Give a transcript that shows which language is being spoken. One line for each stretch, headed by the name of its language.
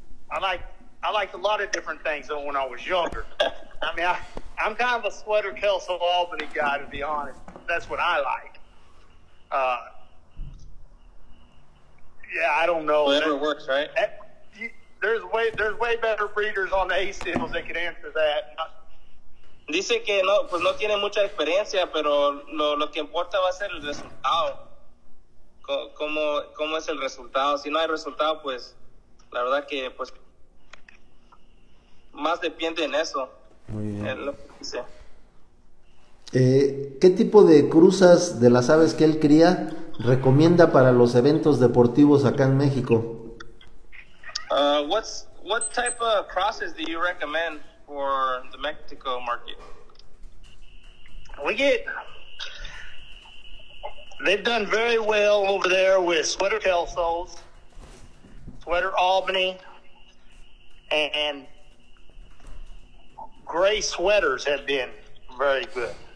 English: I liked a lot of different things though when I was younger. I mean, I'm kind of a sweater Kelso Albany guy, to be honest. That's what I like. I don't know. Whatever works, right? There's way better breeders on the ASILs that can answer that.
Spanish: Dice que no, pues no tiene mucha experiencia, pero lo que importa va a ser el resultado. ¿Cómo es el resultado? Si no hay resultado, pues la verdad que pues más depende en eso. Muy bien. Lo que dice. ¿Qué tipo de cruzas de las aves que él cría recomienda para los eventos deportivos acá en México?
English: What type of crosses do you recommend for the Mexico market? They've done very well over there with sweater Kelsos, sweater Albany, and gray sweaters have been very good.